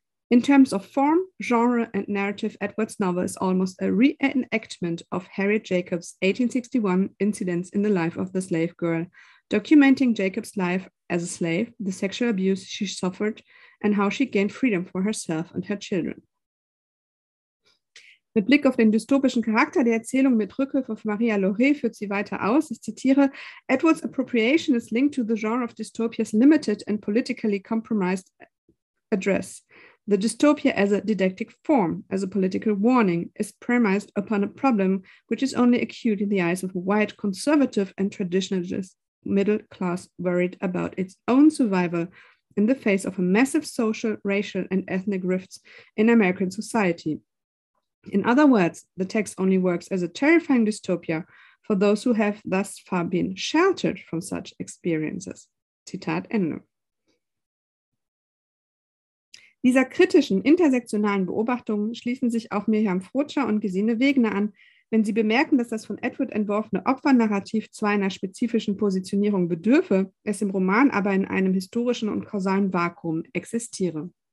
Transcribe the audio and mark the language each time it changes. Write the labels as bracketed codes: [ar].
[en] In terms of form, genre and narrative, Atwood's novel is almost a reenactment of Harriet Jacobs' 1861 Incidents in the Life of the Slave Girl, documenting Jacobs' life as a slave, the sexual abuse she suffered and how she gained freedom for herself and her children. [de] Mit Blick auf den dystopischen Charakter der Erzählung mit Rückhilfe von Maria Loret führt sie weiter aus. Ich zitiere, [en] Atwood's appropriation is linked to the genre of dystopia's limited and politically compromised address. The dystopia as a didactic form, as a political warning, is premised upon a problem which is only acute in the eyes of a white, conservative and traditionalist middle class worried about its own survival in the face of a massive social, racial and ethnic rifts in American society. In other words, the text only works as a terrifying dystopia for those who have thus far been sheltered from such experiences. [de] Zitat Ende. Dieser kritischen, intersektionalen Beobachtung schließen sich auch Miriam Frotscher und Gesine Wegner an, wenn sie bemerken, dass das von Atwood entworfene Opfernarrativ zwar einer spezifischen Positionierung bedürfe, es im Roman aber in einem historischen und kausalen Vakuum existiere.